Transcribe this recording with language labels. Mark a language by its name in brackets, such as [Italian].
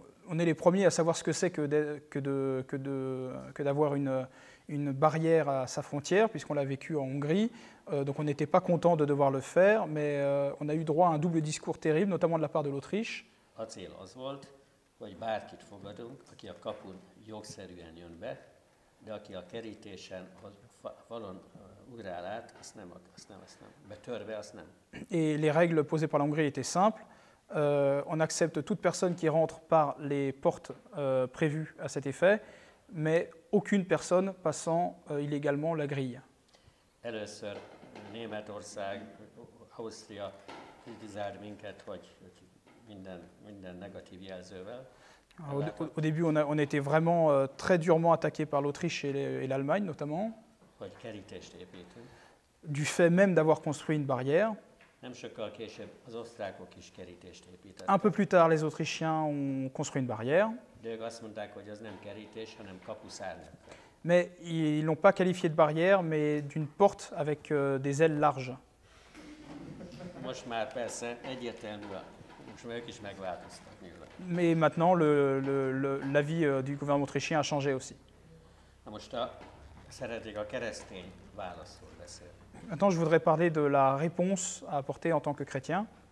[French] On est les premiers à savoir ce que c'est que d'avoir une barrière à sa frontière, puisqu'on l'a vécu en Hongrie. Donc on n'était pas content de devoir le faire, mais on a eu droit à un double discours terrible, notamment de la part de l'Autriche. [Hungarian] A cél az volt, hogy bárkit fogadunk, aki a kapun jogszerűen jön be, de aki a kerítésen valon ugrál át, azt nem. Betörve, azt nem. [French] Et les règles posées par l'Hongrie étaient simples. On accepte toute personne qui rentre par les portes prévues à cet effet, mais aucune personne passant illégalement la grille. [Hungarian] Először Németország, Ausztria kritizált minket, hogy minden negatív jelzővel. [French] Au début, on était vraiment très durement attaqué par l'Autriche et l'Allemagne, notamment. [Hungarian] Hogy kerítést építünk. [French] Du fait même d'avoir construit une barrière. [Hungarian] Nem sokkal később az osztrákok is kerítést építettek. [French] Un peu plus tard, les Autrichiens ont construit une barrière. [Hungarian] De ők azt mondták, hogy az nem kerítés, hanem kapuszárnyak. [French] Mais ils l'ont pas qualifié de barrière, mais d'une porte avec des ailes larges. [Hungarian] Most már persze egyértelműen, most már ők is megváltoztak. [French] Mais maintenant, l'avis du gouvernement autrichien a changé aussi. [Hungarian] Na most szeretnék a keresztény válaszról beszélni. [French] Maintenant, je voudrais parler de la réponse à apporter en tant que chrétien.